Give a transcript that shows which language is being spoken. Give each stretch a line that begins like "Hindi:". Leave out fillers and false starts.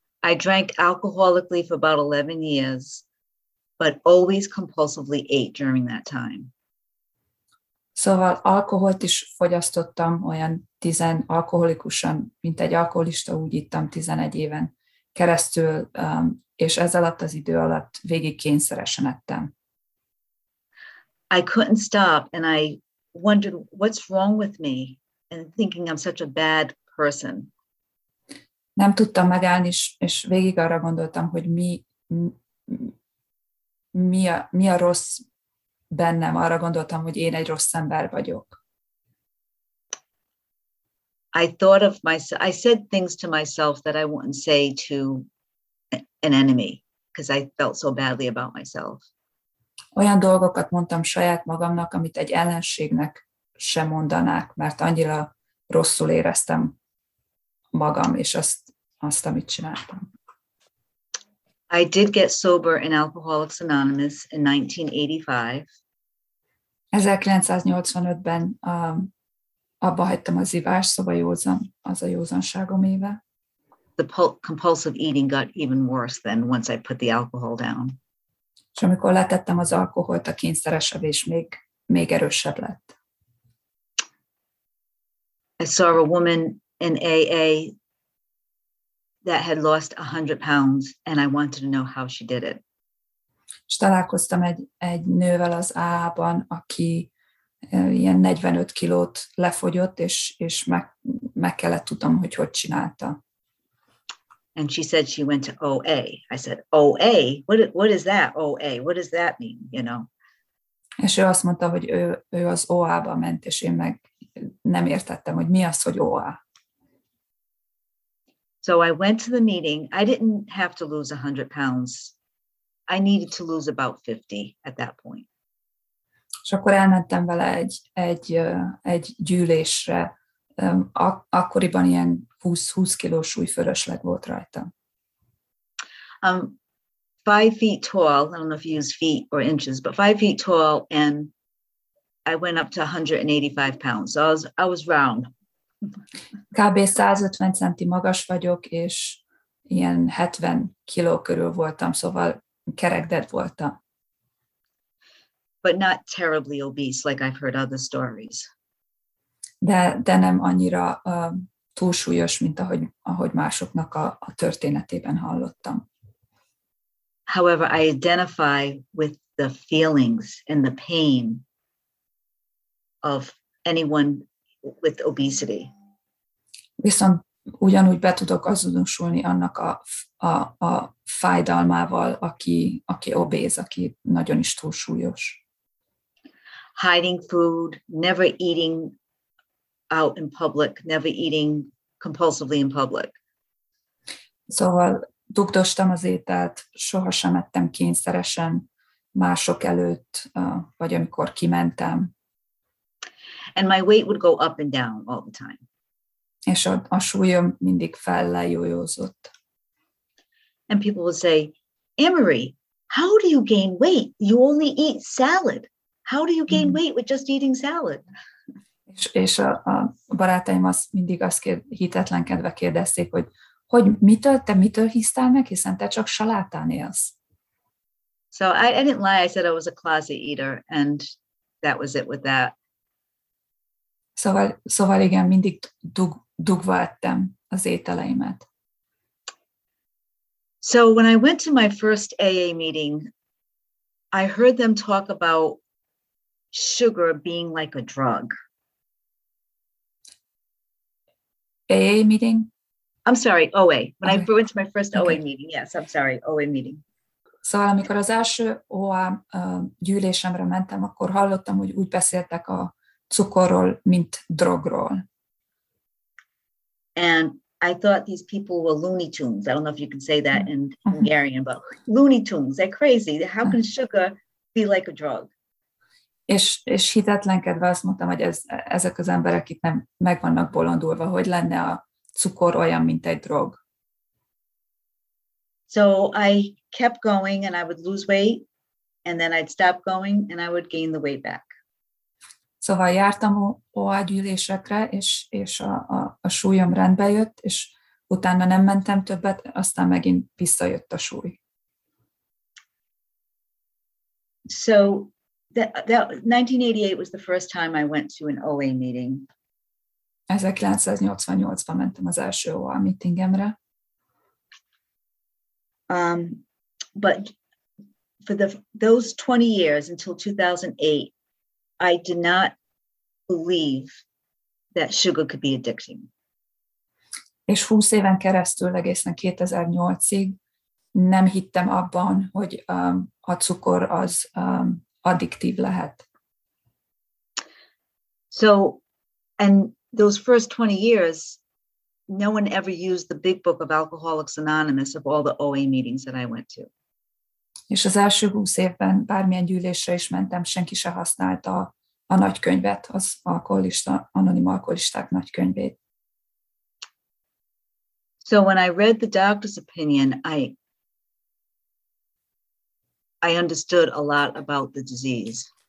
English: I drank alcoholically for about 11 years, but always compulsively ate during that time.
Hungarian: Szóval alkoholt is fogyasztottam olyan tizen alkoholikusan, mint egy alkoholista, úgy ittam 11 éven keresztül, és ez alatt az idő alatt végig kényszeresen ettem.
English: I couldn't stop, and I wondered what's wrong with me, and thinking I'm such a bad person.
Hungarian: Nem tudtam megállni, és végig arra gondoltam, hogy mi a rossz bennem. Arra gondoltam, hogy én egy rossz ember vagyok.
English: I thought of myself, I said things to myself that I wouldn't say to an enemy, because I felt so badly about myself.
Hungarian: Olyan dolgokat mondtam saját magamnak, amit egy ellenségnek sem mondanák, mert annyira rosszul éreztem magam, és azt, amit csináltam.
English: I did get sober in Alcoholics Anonymous in 1985.
Hungarian: 1985-ben abba hagytam az ivás, szóval józan, az a józanságom éve.
English: The compulsive eating got even worse than once I put the alcohol down.
Hungarian: És amikor letettem az alkoholt, a kényszeres evés még erősebb lett.
English: I saw a woman in AA that had lost 100 pounds, and I wanted to know how she did it.
Hungarian: És találkoztam egy nővel az AA-ban, aki ilyen 45 kilót lefogyott, és meg kellett tudnom, hogy csinálta.
English: And she said she went to OA. I said, OA? What is that, OA? What does that mean, you know?
Hungarian: És ő azt mondta, hogy ő az OA-ba ment, és én meg nem értettem, hogy mi az, hogy OA.
English: So I went to the meeting. I didn't have to lose 100 pounds. I needed to lose about 50 at that point.
Hungarian: És akkor elmentem vele egy gyűlésre. Akkoriban ilyen 20 kilós súlyfölösleg volt rajta.
English: 5 feet tall, I don't know if you use feet or inches, but 5 feet tall, and I went up to 185 pounds. So I was round.
Hungarian: Kb. 150 centi magas vagyok, és ilyen 70 kiló körül voltam, szóval kerekded voltam.
English: But not terribly obese, like I've heard other stories.
Hungarian: De nem annyira túlsúlyos, mint ahogy másoknak a történetében hallottam.
English: However, I identify with the feelings and the pain of anyone with obesity.
Hungarian: Viszont ugyanúgy be tudok azonosulni annak a fájdalmával, aki obéz, aki nagyon is túlsúlyos.
English: Hiding food, never eating out in public, never eating compulsively in public.
Hungarian: Szóval dugdostam az ételt, sohasem ettem kényszeresen mások előtt, vagy amikor kimentem.
English: And my weight would go up and down all the time.
Hungarian: És a súlyom mindig fellejójózott.
English: And people would say, Emery, how do you gain weight? You only eat salad. How do you gain weight with just eating salad?
Hungarian: És a barátaim hitetlenkedve kérdezték, hogy mitől hisztál meg, hiszen te csak salátán élsz.
English: So I didn't lie. I said I was a closet eater, and that was it with that.
Hungarian: Szóval igen, mindig dugva ettem az ételeimet.
English: So when I went to my first AA meeting, I heard them talk about sugar being like a drug. AA meeting? I'm sorry, OA. When okay. I went to my first OA meeting, yes, I'm sorry, OA meeting.
Hungarian: Szóval amikor az első OA gyűlésemre mentem, akkor hallottam, hogy úgy beszéltek a cukorról, mint drogról.
English: And I thought these people were Looney Tunes. I don't know if you can say that in Hungarian, but Looney Tunes, they're crazy. How can sugar be like a drug?
Hungarian: És hitetlenkedve azt mondtam, hogy ezek az emberek itt nem meg vannak bolondulva, hogy lenne a cukor olyan, mint egy drog.
English: So I kept going, and I would lose weight, and then I'd stop going, and I would gain the weight back.
Hungarian: Szóval jártam OA gyűlésekre, és a súlyom rendbe jött, és utána nem mentem többet, aztán megint visszajött a súly.
English: So that 1988 was the first time I went to an OA meeting.
Hungarian: 1988-ban mentem az első OA meetingemre.
English: But for those 20 years until 2008, I did not believe that sugar could be addicting.
Hungarian: És 20 éven keresztül, egészen 2008-ig nem hittem abban, hogy a cukor az addiktív lehet.
English: So, and those first 20 years, no one ever used the big book of Alcoholics Anonymous of all the OA meetings that I went to.
Hungarian: És az első 20 évben bármilyen gyűlésre is mentem, senki se használta a nagykönyvet, az alkoholista, anonim alkoholisták nagykönyvét.
English: So when I read the doctor's opinion, I understood a lot about the disease.